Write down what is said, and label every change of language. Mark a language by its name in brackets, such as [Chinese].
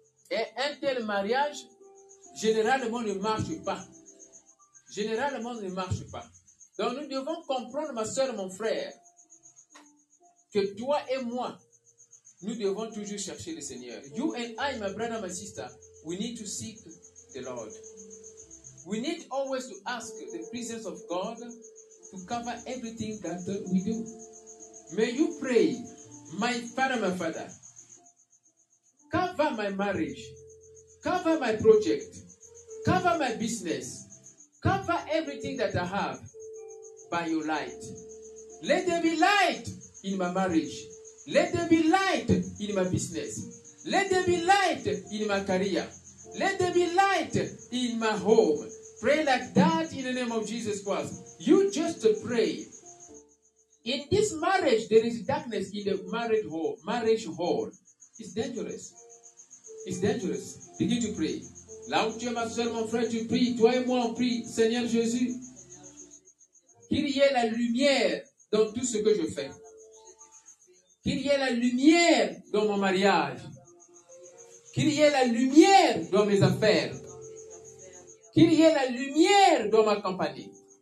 [French] Et un tel mariage, généralement, ne marche pas. Généralement, ne marche pas. Donc, nous devons comprendre, ma soeur, mon frère, que toi et moi, nous devons toujours chercher le Seigneur. [English] You and I, my brother, my sister, we need to seek the Lord. We need always to ask the presence of God to cover everything that we do. May you pray, my father, cover my marriage, cover my project, cover my business, cover everything that I have by your light. Let there be light in my marriage. Let there be light in my business. Let there be light in my career. Let there be light in my home. Pray like that in the name of Jesus Christ. You just pray. In this marriage, there is darkness in the marriage hall. It's dangerous. It's dangerous. Begin to pray. [French] Là où tu es, ma soeur, mon frère, tu pries. Toi et moi, on prie, Seigneur Jésus. Qu'il y ait la lumière dans tout ce que je fais. Qu'il y ait la lumière dans mon mariage. Qu'il y ait la lumière dans mes affaires. Qu'il y ait la lumière dans ma compagnie.